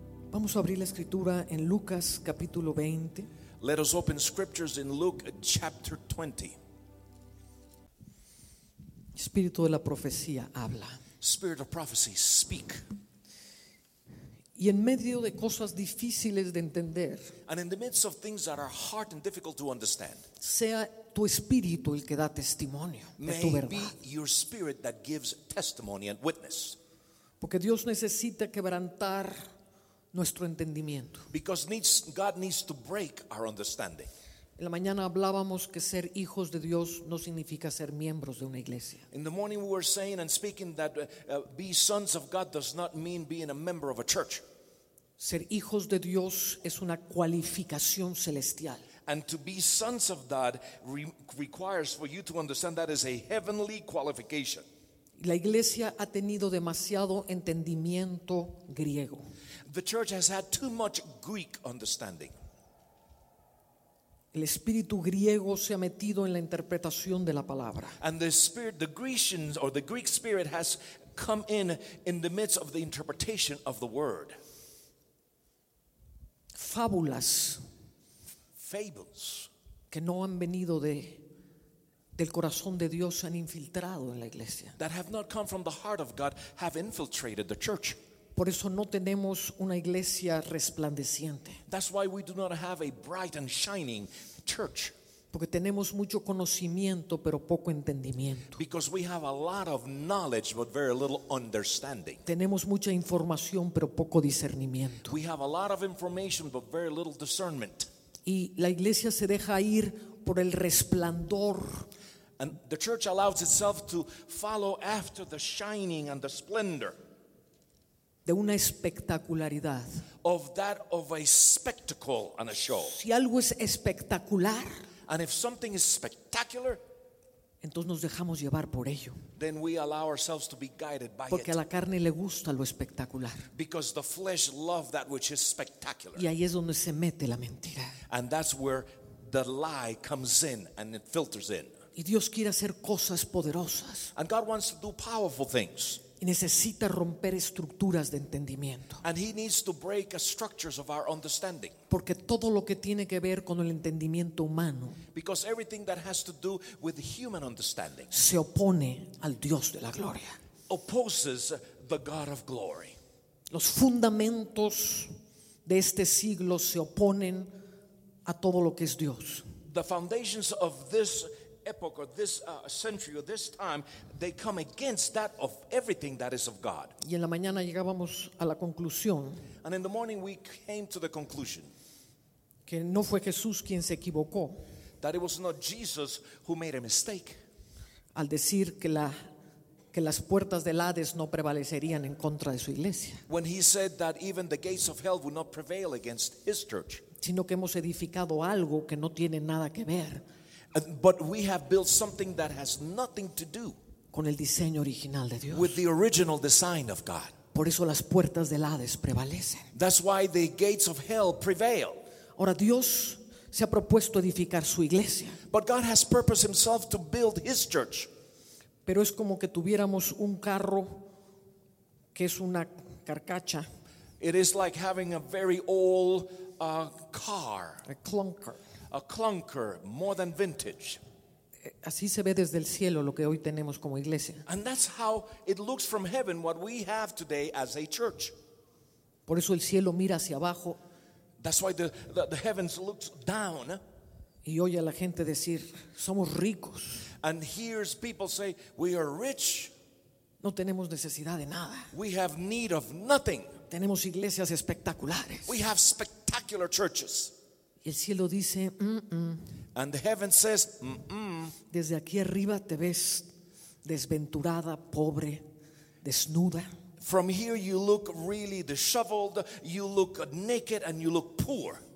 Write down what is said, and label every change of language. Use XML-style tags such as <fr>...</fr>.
<es>Vamos a abrir la escritura en Lucas capítulo 20.</es> <en>Let us open scriptures in Luke chapter 20.</en> <es>Espíritu de la profecía habla.</es> <en>Spirit of prophecy, speak.</en> <es>Y en medio de cosas difíciles de entender.</es> <en>And in the midst of things that are hard and difficult to understand.</en> <es>Sea tu espíritu el que da testimonio de tu verdad.</es> <en>May it be your spirit that gives testimony and witness.</en> <es>Porque Dios necesita quebrantar nuestro entendimiento.</es> <en>Because God needs to break our understanding.</en> <es>En la mañana hablábamos que ser hijos de Dios no significa ser miembros de una iglesia.</es> <en>In the morning we were saying and speaking that be sons of God does not mean being a member of a church.</en> <es>Ser hijos de Dios es una cualificación celestial.</es> <en>And to be sons of God requires for you to understand that is a heavenly qualification.</en> <es>La iglesia ha tenido demasiado entendimiento griego.</es> <en>The church has had too much Greek understanding.</en> <es>El espíritu griego se ha metido en la interpretación de la palabra.</es> <en>And the spirit, the Grecian or the Greek spirit has come in the midst of the interpretation of the word.</en> <es>Fábulas.</es> <en>Fables.</en> <es>Que no han venido de del corazón de Dios se han infiltrado en la iglesia.</es> <en>That have not come from the heart of God have infiltrated the church.</en> <es>Por eso no tenemos una iglesia resplandeciente.</es> <en>That's why we do not have a bright and shining church.</en> <es>Porque tenemos mucho conocimiento pero poco entendimiento.</es> <en>Because we have a lot of knowledge but very little understanding.</en> <es>Tenemos mucha información pero poco discernimiento.</es> <en>We have a lot of information but very little discernment.</en> <es>Y la iglesia se deja ir por el resplandor.</es> <en>And the church allows itself to follow after the shining and the splendor</en> <es>de una espectacularidad.</es> <en>Of that of a spectacle and a show.</en> <es>Si algo es espectacular,</es> <en>and if something is spectacular,</en> <es>entonces nos dejamos llevar por ello.</es> <en>Then we allow ourselves to be guided by</en> <es>porque</es> <en>it.</en> <es>A la carne le gusta lo espectacular.</es> <en>Because the flesh loves that which is spectacular.</en> <es>Y ahí es donde se mete la mentira.</es> <en>And that's where the lie comes in and it filters in.</en> <es>Y Dios quiere hacer cosas poderosas.</es> <en>And God wants to do powerful things.</en> <es>Y necesita romper estructuras de entendimiento.</es> <en>And he needs to break structures of our understanding.</en> <es>Porque todo lo que tiene que ver con el entendimiento humano,</es> <en>because everything that has to do with human understanding,</en> <es>se opone al Dios de la gloria.</es> <en>Opposes the God of glory.</en> <es>Los fundamentos de este siglo se oponen a todo lo que es Dios.</es> <en>The foundations of this epoch or this century or this time, they come against that of everything that is of God.</en> <es>Y en la mañana llegábamos a la conclusión.</es> <en>And in the morning we came to the conclusion</en> <es>que no fue Jesús quien se equivocó.</es> <en>That it was not Jesus who made a mistake.</en> <es>Al decir que la que las puertas del Hades no prevalecerían en contra de su iglesia.</es> <en>When he said that even the gates of hell would not prevail against his church.</en> <es>Sino que hemos edificado algo que no tiene nada que ver.</es> <en>But we have built something that has nothing to do</en> <es>con el diseño original de Dios.</es> <en>With the original design of God.</en> <es>Por eso las puertas del Hades prevalecen.</es> <en>That's why the gates of hell prevail.</en> <es>Ahora Dios se ha propuesto edificar su iglesia.</es> <en>But God has purposed himself to build his church.</en> <es>Pero es como que tuviéramos un carro que es una carcacha.</es> <en>It is like having a very old car. A clunker. A clunker, more than vintage.</en> <es>Así se ve desde el cielo lo que hoy tenemos como iglesia.</es> <en>And that's how it looks from heaven what we have today as a church.</en> <es>Por eso el cielo mira hacia abajo.</es> <en>That's why the heavens looks down.</en> <es>Y oye a la gente decir, somos ricos.</es> <en>And hears people say, we are rich.</en> <es>No tenemos necesidad de nada.</es> <en>We have need of nothing.</en> <es>Tenemos iglesias espectaculares.</es> <en>We have spectacular churches.</en> <es>Y el cielo dice,</es> <en>And the heaven says,</en> <es>Desde aquí arriba te ves desventurada, pobre, desnuda.</es> <en>From here you look really disheveled, you look naked and you look poor.</en>